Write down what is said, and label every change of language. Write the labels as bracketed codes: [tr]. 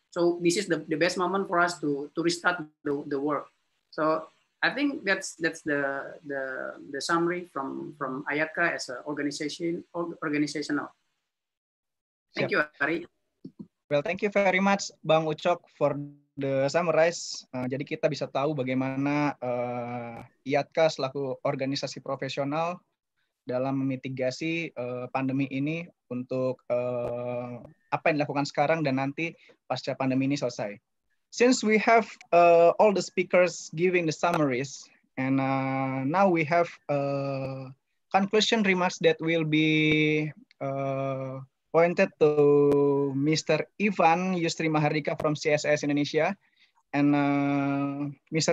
[en] So this is the best moment for us to restart the work. So I think that's the summary from IATCA as an organizational. Thank you, Ari. Well, thank you very much, Bang Ucok, for the summarize. [id] Jadi kita bisa tahu bagaimana IATCA selaku organisasi profesional dalam memitigasi pandemi ini untuk apa yang dilakukan sekarang dan nanti pasca pandemi ini selesai. [en] Since we have all the speakers giving the summaries, and now we have conclusion remarks that will be pointed to Mr. Ivan Yustri Mahardika from CSAS Indonesia. And Mr.